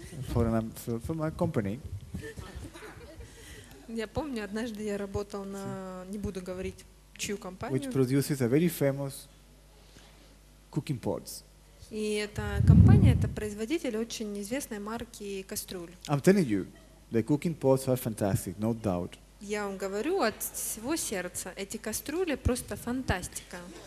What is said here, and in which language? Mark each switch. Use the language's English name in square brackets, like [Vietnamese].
[English] For my company. [Russian] Я помню, однажды я работал на, не буду говорить, чью компанию. [English] Which produces a very famous cooking pots. [Russian] И эта компания, это производитель очень известной марки кастрюль. [English] I'm telling you, the cooking pots are fantastic, no doubt. [Russian] Я вам говорю от всего сердца, эти кастрюли просто фантастика.